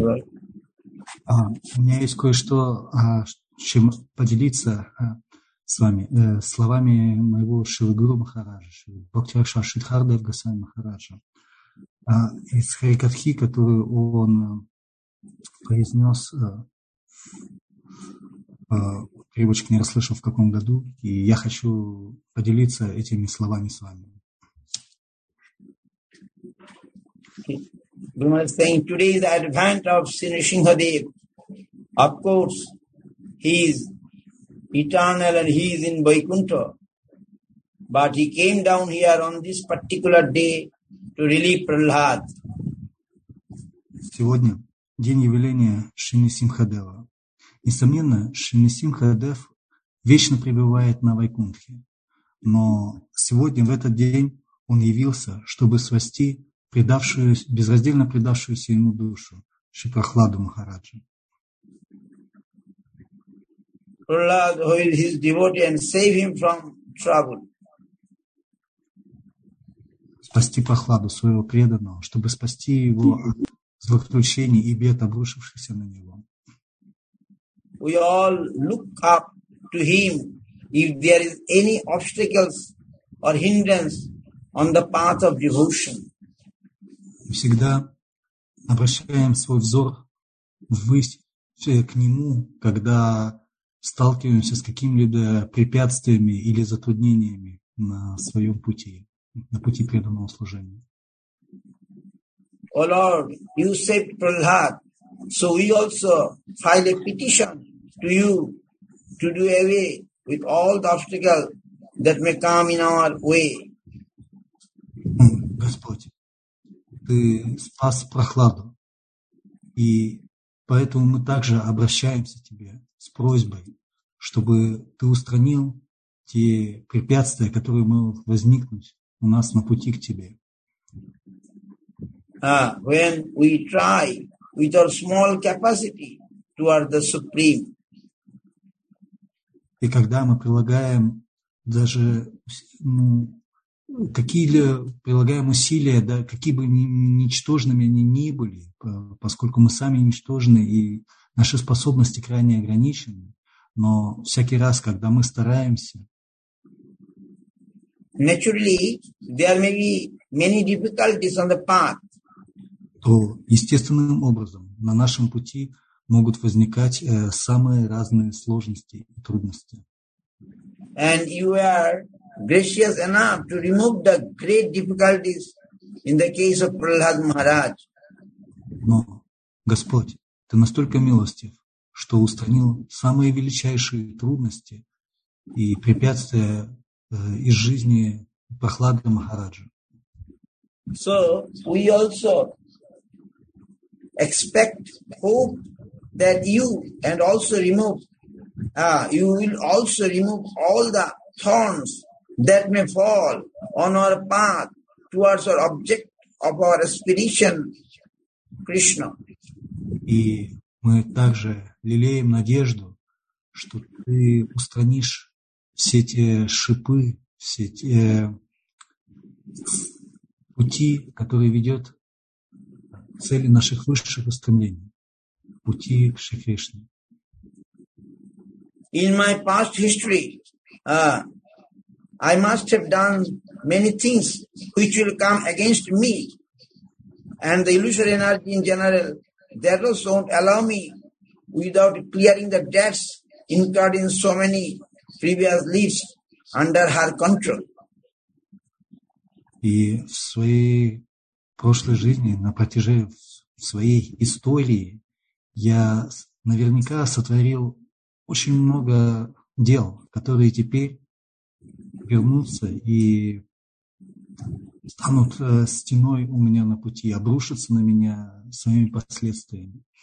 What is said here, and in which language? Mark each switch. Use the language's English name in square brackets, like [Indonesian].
[Russian] у меня есть кое-что, чем поделиться с вами словами моего Шрила Гуру Махараджа, Бхактивакшар Шридхар Дев Госвами Махараджа, из Харикатхи, которую он произнес, привычек не расслышал в каком году, и я хочу поделиться этими словами с вами. [English] We must think today is the advent of Sri Nrisimha Dev. Of course, he is eternal and he is in Vaikuntha. But he came down here on this particular day to relieve Prahlad. [Russian] Сегодня день явления Шри Нрисимха Дева. Несомненно, Шри Нрисимха Дев вечно пребывает на Вайкунтхе, но сегодня, в этот день, он явился, чтобы спасти безраздельно предавшуюся ему душу, Шри Прохладу Махараджа. [English] Prahlad, who is his devotee, and save him from trouble. [Russian] Спасти Прохладу, своего преданного, чтобы спасти его от злоключений и бед, обрушившихся на него. [English] We all look up to him if there is any obstacles or hindrance on the path of devotion. [Russian] Мы всегда обращаем свой взор ввысь к нему, когда сталкиваемся с какими-либо препятствиями или затруднениями на своем пути, на пути преданного служения. [English] O Lord, you saved Prahlad, so we also file a petition to you to do away with all the obstacles that may come in our way. [Russian] Господь, ты спас Прохладу, и поэтому мы также обращаемся к тебе с просьбой, чтобы ты устранил те препятствия, которые могут возникнуть у нас на пути к тебе. [English] When we try with our small capacity toward the Supreme. [Russian] И когда мы прилагаем даже ну, какие-либо прилагаем усилия, да, какие бы ничтожными они ни были, поскольку мы сами ничтожны и наши способности крайне ограничены, но всякий раз, когда мы стараемся, [English] naturally, there may be many difficulties on the path. [Russian] То естественным образом на нашем пути могут возникать самые разные сложности и трудности. [English] And you are gracious enough to remove the great difficulties in the case of Prahlad Maharaj. [Russian] Но Господь, ты настолько милостив, что устранил самые величайшие трудности и препятствия из жизни Прахлада Махараджа. [English] So we also expect, hope that you and also remove, you will also remove all the thorns that may fall on our path towards our object of our aspiration, Krishna. [Russian] И мы также лелеем надежду, что ты устранишь все те шипы, все те пути, которые ведет цели наших высших устремлений, пути к Шри Кришне. [English] In my past history, I must have done many things which will come against me and the illusory energy in general. That also won't allow me without clearing the debts incurred in so many previous lives under her control. [Russian] И в своей прошлой жизни, на протяжении своей истории, я наверняка сотворил очень много дел, которые теперь вернутся и станут стеной у меня на пути, обрушатся на меня своими последствиями.